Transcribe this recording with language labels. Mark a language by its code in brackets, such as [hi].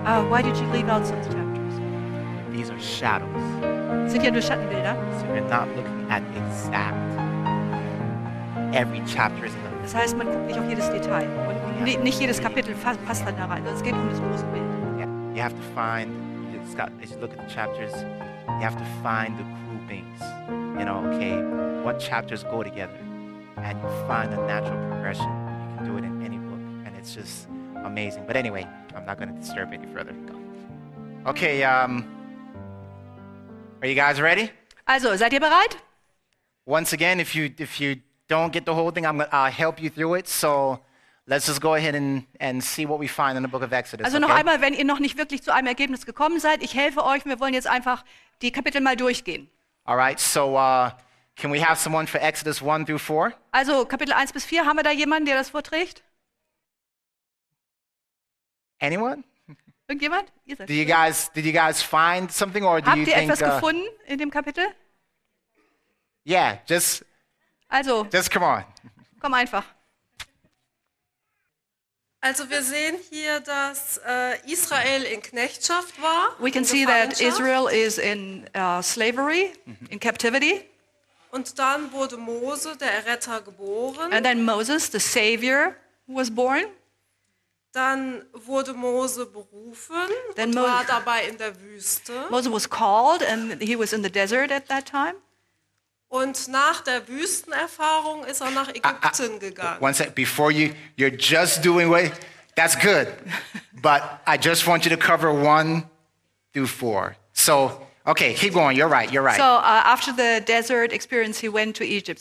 [en] Why did you leave out some chapters? These are shadows. [de] Sind ja nur Schattenbilder. [en] So you're not looking at exact. Every chapter is in the [de] Das heißt, man guckt nicht auf jedes Detail. Und nicht jedes Kapitel passt dann da rein. Es geht um das große Bild. [en] Yeah. You have to find, as you look at the chapters, you have to find the groupings. You know, okay, what chapters go together. And you find a natural progression. You can do it in any book. And it's just amazing. But anyway, I'm not going to disturb any further. Okay, are you guys ready? [de] Also, seid ihr bereit? [en] Once again, if you don't get the whole thing, I'll help you through it. So let's just go ahead and see what we find in the book of Exodus. [de] Also noch einmal, wenn ihr noch nicht wirklich zu einem Ergebnis gekommen seid, ich helfe euch. Wir wollen jetzt einfach die Kapitel mal durchgehen. [en] All right. So can we have someone for Exodus 1 through 4? [de] Also Kapitel 1 bis 4, haben wir da jemanden, der das vorträgt? [en] Anyone? [de] Irgendjemand? [en] Did you guys find something or do [de] Habt [en] you [de] ihr [en] think, [de] etwas gefunden in dem Kapitel? [en] Yeah, just. [de] Also. [en] Just come on. [de] Komm einfach. Also wir sehen hier, dass Israel in Knechtschaft war. [en] We can see that Israel is in slavery, in captivity. [de] Und dann wurde Mose, der Erretter, geboren. [en] And then Moses, the Savior, was born. [de] Dann wurde Mose berufen then und war dabei in der Wüste. [en] Moses was called and he was in the desert at that time. [de] Und nach der Wüstenerfahrung ist er nach Ägypten gegangen. [en] One second, before you're just doing what, that's good. But I just want you to cover 1 through 4. So, okay, keep going, you're right. So, after the desert experience, he went to Egypt.